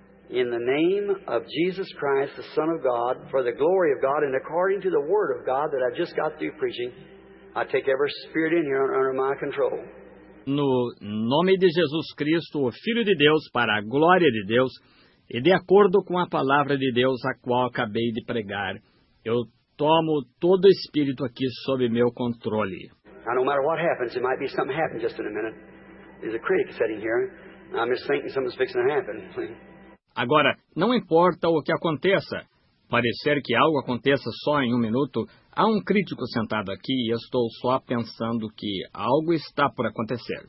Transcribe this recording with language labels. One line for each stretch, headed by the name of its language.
English: In the name of Jesus Christ, the Son of God, for the glory of God, and according to the word of God that I've just got through preaching, I take every spirit in here under my control.
Portuguese: No nome de Jesus Cristo, o Filho de Deus, para a glória de Deus, e de acordo com a palavra de Deus a qual acabei de pregar, eu tomo todo o espírito aqui sob meu controle.
English: Now, no matter what happens, it might be something happened just in a minute. There's a critic sitting here. I'm just thinking something's fixing to happen.
Portuguese: Agora, não importa o que aconteça. Parecer que algo aconteça só em um minuto, há um crítico sentado aqui e estou só pensando que algo está por acontecer.